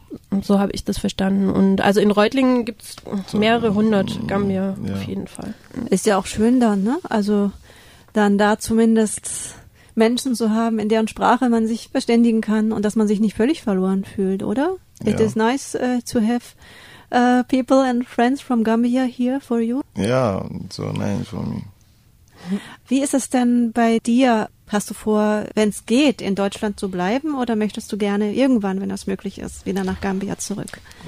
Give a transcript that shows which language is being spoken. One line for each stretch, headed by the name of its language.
German: Und so habe ich das verstanden. Und also in Reutlingen gibt es mehrere hundert Gambier auf jeden Fall. Ist ja auch schön dann, ne? Also dann da zumindest Menschen zu haben, in deren Sprache man sich verständigen kann und dass man sich nicht völlig verloren fühlt, oder? Ja.
English: It is nice to have people and friends from Gambia here for you. Ja, so nice for me.
German: Wie ist es denn bei dir? Hast du vor, wenn es geht, in Deutschland zu bleiben oder möchtest du gerne irgendwann, wenn das möglich ist, wieder nach Gambia zurück?